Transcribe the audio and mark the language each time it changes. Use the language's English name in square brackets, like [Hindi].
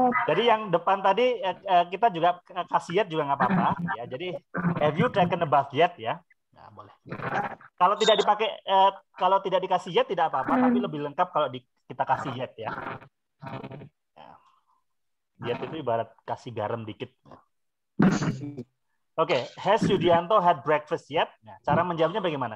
[Indonesian] Jadi yang depan tadi kita juga kasih yet juga nggak apa-apa ya. [English] Jadi have you taken a bath yet ya? [Indonesian] Nah, boleh. Kalau tidak dipakai kalau tidak dikasih yet tidak apa-apa, tapi lebih lengkap kalau kita kasih yet ya. Yet itu ibarat kasih garam dikit. [English] Oke, has Yudianto had breakfast yet? [Indonesian] Nah, cara menjawabnya bagaimana?